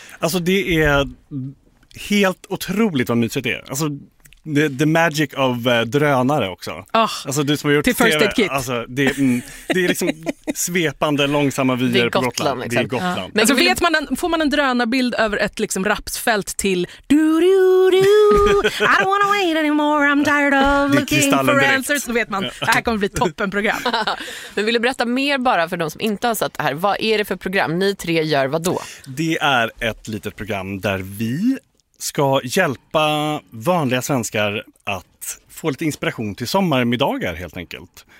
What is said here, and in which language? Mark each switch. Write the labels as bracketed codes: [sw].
[sv] Alltså det är helt otroligt vad mysigt det är. Alltså [en] the magic of [sv] drönare också. Oh, alltså du som har gjort till First Aid Kit. Alltså det är liksom svepande långsamma vyer på Gotland. Det är Gotland. Liksom. Men alltså, vet man, får man en drönarbild över ett liksom rapsfält till du du du. [en] I don't wanna wait anymore. I'm tired of looking for answers. [sv] Då vet man. Det här kommer bli toppenprogram. Men vill du berätta mer bara för de som inte har sett det här? Vad är det för program? Ni tre gör vad då? Det är ett litet program där vi ska hjälpa vanliga svenskar att få lite inspiration till sommarmiddagar helt enkelt.